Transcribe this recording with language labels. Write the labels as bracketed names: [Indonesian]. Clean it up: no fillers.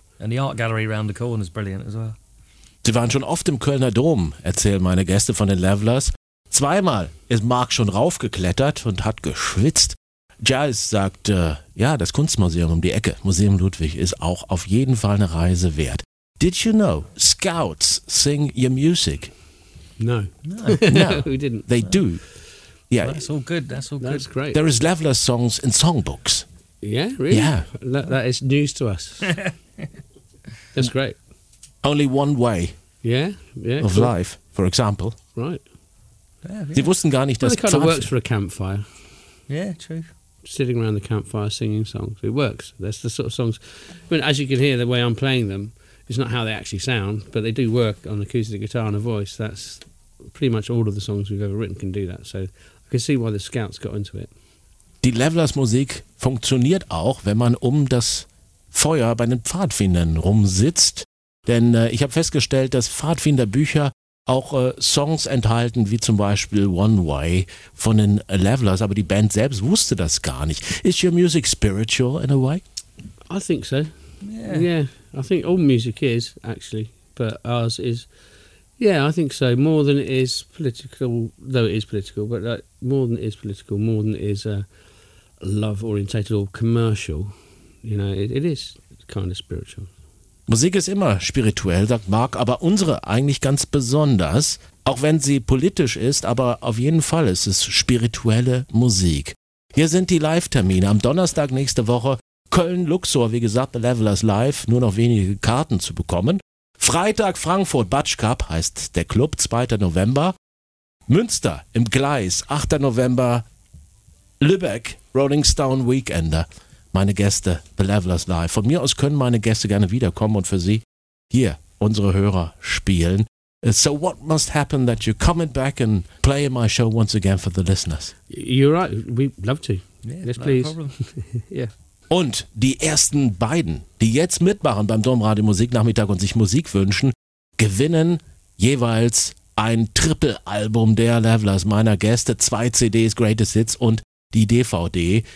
[English] And the art gallery around the corner is brilliant as well. [German] Sie waren schon oft im Kölner Dom, erzählen meine Gäste von den Levelers. Zweimal ist Mark schon raufgeklettert und hat geschwitzt. Jazz sagt, ja, das Kunstmuseum um die Ecke, Museum Ludwig, ist auch auf jeden Fall eine Reise wert. [English] Did you know scouts sing your music? No. No, no. We didn't. They do. Yeah. That's all good. That's all good. That's great. There is Leveller's songs in songbooks. Yeah, really? Yeah. That is news to us. That's great. Only one way. Yeah, yeah. Of cool. life, for example. Right. Yeah, yeah. [German] Sie wussten gar nicht, dass [English] well, it kind of works for a campfire. Yeah, true. Sitting around the campfire singing songs. It works. That's the sort of songs. I mean, as you can hear, the way I'm playing them, it's not how they actually sound, but they do work on acoustic guitar and a voice. That's pretty much all of the songs we've ever written can do that. So I can see why the scouts got into it. [German] Die Levelers Musik funktioniert auch, wenn man um das Feuer bei den Pfadfindern rumsitzt. Denn ich habe festgestellt, dass Pfadfinderbücher auch Songs enthalten, wie zum Beispiel One Way von den Levelers, aber die Band selbst wusste das gar nicht. [English] Is your music spiritual in a way? I think so. Yeah. Yeah, I think all music is, actually, but ours is, yeah, I think so, more than it is political, though it is political, but like, more than it is political, more than it is love-orientated or commercial, you know, it is kind of spiritual. [German] Musik ist immer spirituell, sagt Mark, aber unsere eigentlich ganz besonders, auch wenn sie politisch ist, aber auf jeden Fall ist es spirituelle Musik. Hier sind die Live-Termine. Am Donnerstag nächste Woche Köln-Luxor, wie gesagt, The Levelers Live, nur noch wenige Karten zu bekommen. Freitag Frankfurt, Butch Cup heißt der Club, 2. November. Münster im Gleis, 8. November. Lübeck, Rolling Stone Weekender. Meine Gäste, The Levelers Live. Von mir aus können meine Gäste gerne wiederkommen und für sie hier unsere Hörer spielen. [English] So what must happen that you're coming back and play my show once again for the listeners? You're right, we'd love to. Yeah, yes, please. No problem. Yeah. [German] Und die ersten beiden, die jetzt mitmachen beim Domradio Musiknachmittag und sich Musik wünschen, gewinnen jeweils ein Triple-Album der Levelers, meiner Gäste, zwei CDs, Greatest Hits und die DVD.